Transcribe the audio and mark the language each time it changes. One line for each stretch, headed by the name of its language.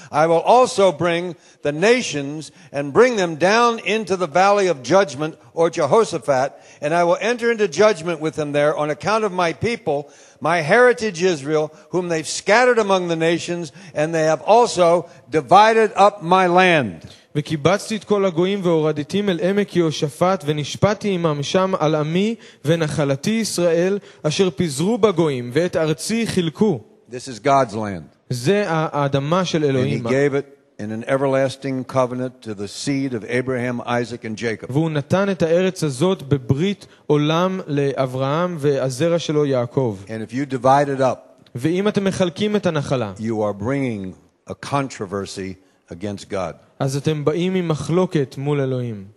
English: I will also bring the nations and bring them down into the valley of judgment or Jehoshaphat, and I will enter into judgment with them there on account of my people, my heritage Israel, whom they've scattered among the nations, and they have also divided up my land.
Hebrew: וקיבצתי את כל הגויים והורדתי אל עמק יהושפט ונשפטתי עמם שם על עמי ונחלתי ישראל אשר פזרו בגויים ואת ארצי חילקו.
English: This is God's land.
Hebrew: זה האדמה של אלוהים.
English: And he gave it in an everlasting covenant to the seed of Abraham, Isaac and Jacob.
Hebrew: והוא נתן את הארץ הזאת בברית עולם לאברהם והזרע שלו יעקב.
English: And if you divide it up,
Hebrew: ואם אתם מחלקים את הנחלה,
English: you are bringing a controversy against God.
Hebrew: אז אתם באים עם מחלוקת מול אלוהים.